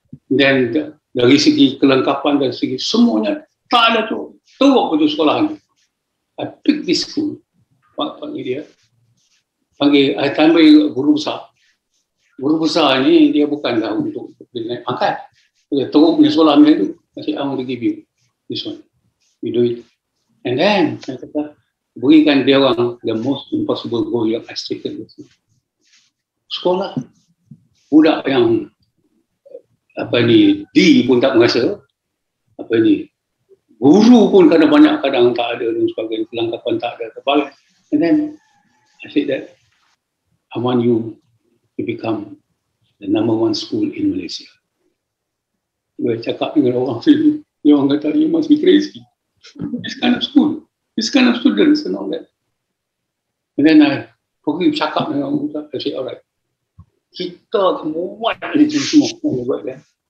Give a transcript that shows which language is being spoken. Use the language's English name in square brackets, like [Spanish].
[Malay] Then dari segi kelengkapan, dari segi semuanya tak ada tu. Teruk betul sekolah ni. [English] I pick this school. [Malay] Panggil dia, saya tambah guru besar. Guru besar ni dia bukanlah untuk naik pangkat. Dia teruk punya sekolah ni tu. Saya cakap, [English] I want to give you this one. You do it. And then, [Malay] saya kata, berikan dia orang [English] the most impossible goal yang I stated. [Malay] Sekolah. Budak yang apa ni, D pun tak merasa. Apa ni, guru pun kadang-kadang tak ada dan sebagainya, kelengkapan tak ada, terbalik. [English] And then I said that I want you to become the number one school in Malaysia. [Malay] Dia cakap dengan orang sini, dia orang kata, [English] you must be crazy. This kind of school, this kind of students and all that. And then I [Malay] pergi cakap dengan orang, [English] I said, all right, [Malay] kita semua itu semua buat kan.